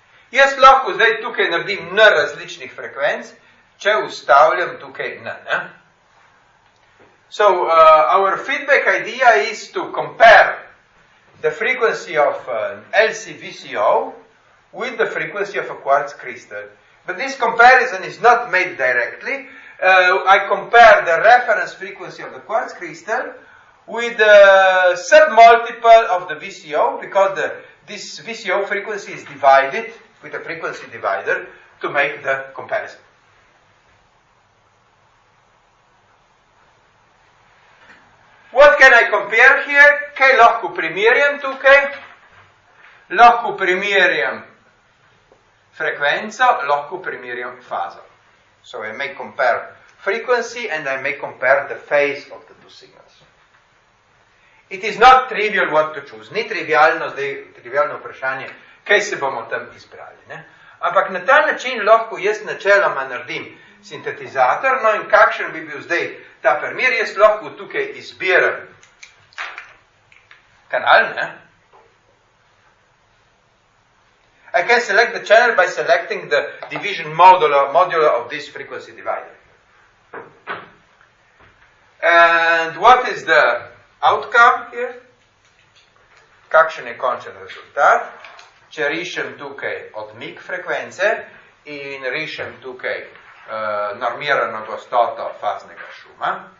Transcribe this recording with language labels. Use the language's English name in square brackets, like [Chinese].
[Slovenian] Jaz lahko zdaj tukaj naredim N različnih frekvenc, če ustavljam tukaj N. Ne? [English] So, our feedback idea is to compare the frequency of an LC VCO with the frequency of a quartz crystal. But this comparison is not made directly. I compare the reference frequency of the quartz crystal with a submultiple of the VCO, because this VCO frequency is divided with a frequency divider to make the comparison. What can I compare here? [Slovenian] Kaj lahko primerjam tukaj? Lahko primerjam frekvenco, lahko primerjam fazo. [English] So I may compare frequency and I may compare the phase of the two signals. It is not trivial what to choose. [Slovenian] Ni trivialno, zdaj trivialno vprašanje, kaj se bomo tam izbrali. Ne? Ampak na ta način lahko jaz načeloma naredim sintetizator, no in kakšen bi bil zdaj ta primer, jaz lahko tukaj izbiram kanal, ne? [English] I can select the channel by selecting the division modulo of this frequency divider. And what is the outcome here? [Slovenian] Kakšen je končen rezultat? Če rišem tukaj odmik frekvence in rišem tukaj normirano gostoto faznega šuma.